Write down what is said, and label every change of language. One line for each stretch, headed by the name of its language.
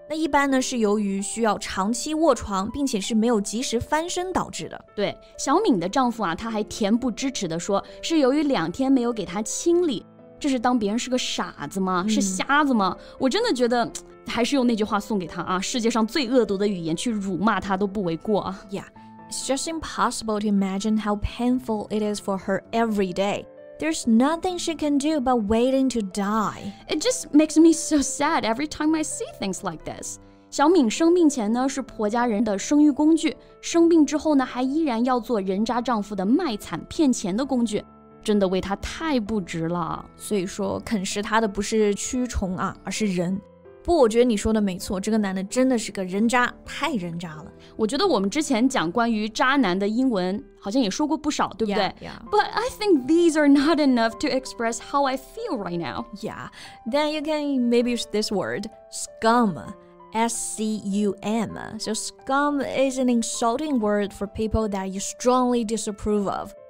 Chinese: 那一般呢是由于需要长期卧床，并且是没有及时翻身导致的。对，小敏的丈夫啊，他还恬不知耻地说，是由于两天没有给他清理。这是当别人是个傻子吗？是瞎子吗？我真的觉得还是用那句话送给他啊，世界上最恶毒的语言去辱骂他都不为过啊。
English: Yeah, it's just impossible to imagine how painful it is for her every day. There's nothing she can do but waiting to die. It just makes me so sad every time I see things like this.
Chinese: 小敏生病前呢是婆家人的生育工具，生病之后呢还依然要做人渣丈夫的卖惨骗钱的工具。真的为他太不值了，所以说啃食他的不是蛆虫啊，而是人。不，我觉得你说的没错，这个男的真的是个人渣，太人渣了。我觉得我们之前讲关于渣男的英文，好像也说过不少，对不对？
English: Yeah, yeah. But I think these are not enough to express how I feel right now. Yeah, then you can maybe use this word, scum. S-C-U-M. So scum is an insulting word for people that you strongly disapprove of.